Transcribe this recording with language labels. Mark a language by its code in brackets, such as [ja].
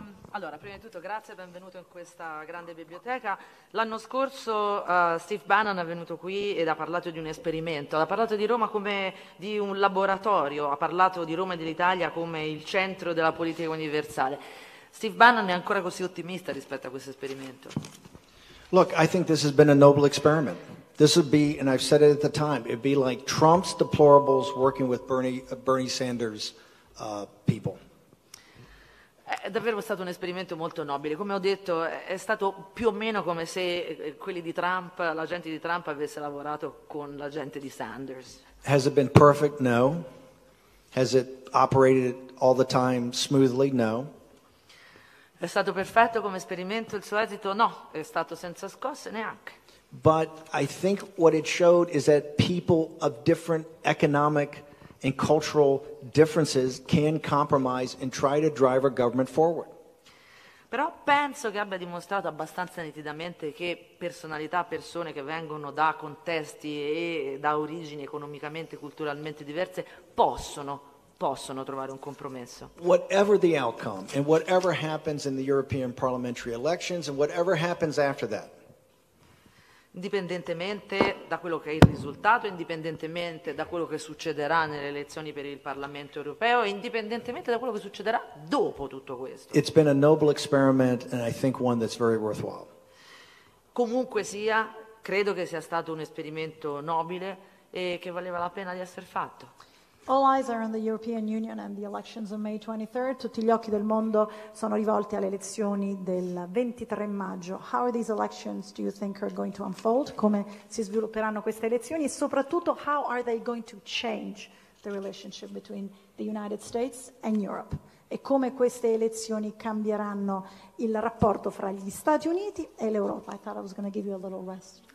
[it] Allora, prima di tutto, grazie e benvenuto in questa grande biblioteca. L'anno scorso Steve Bannon è venuto qui ed ha parlato di un esperimento. Ha parlato di Roma come di un laboratorio, ha parlato di Roma e dell'Italia come il centro della politica universale. Steve Bannon è ancora così ottimista rispetto a questo esperimento? [en] Look, I think this has been a noble experiment. This would be, and I've said it at the time, it'd be like Trump's deplorables working with Bernie Sanders people. [it] È davvero stato un esperimento molto nobile. Come ho detto, è stato più o meno come se quelli di Trump, l'agente di Trump, avesse lavorato con l'agente di Sanders. [en] Has it been perfect? No. Has it operated all the time smoothly? No. [it] È stato perfetto come esperimento, il suo esito? No. È stato senza scosse? Neanche. [en] But I think what it showed is that people of different economic and cultural differences can compromise and try to drive our government forward. [it] Però penso che abbia dimostrato abbastanza nitidamente che personalità, persone che vengono da contesti e da origini economicamente e culturalmente diverse possono trovare un compromesso. [en] Whatever the outcome and whatever happens in the European parliamentary elections and whatever happens after that, [it] indipendentemente da quello che è il risultato, indipendentemente da quello che succederà nelle elezioni per il Parlamento europeo, indipendentemente da quello che succederà dopo tutto questo. [en] It's been a noble experiment and I think one that's very worthwhile. [it] Comunque sia, credo che sia stato un esperimento nobile e che valeva la pena di essere fatto. [en] All eyes are on the European Union and the elections on May 23rd. [it] Tutti gli occhi del mondo sono rivolti alle elezioni del 23 maggio. [en] How are these elections, do you think, are going to unfold? [it] Come si svilupperanno queste elezioni? E soprattutto, [en] how are they going to change the relationship between the United States and Europe? [it] E come queste elezioni cambieranno il rapporto fra gli Stati Uniti e l'Europa? [en] I thought I was going to give you a little rest.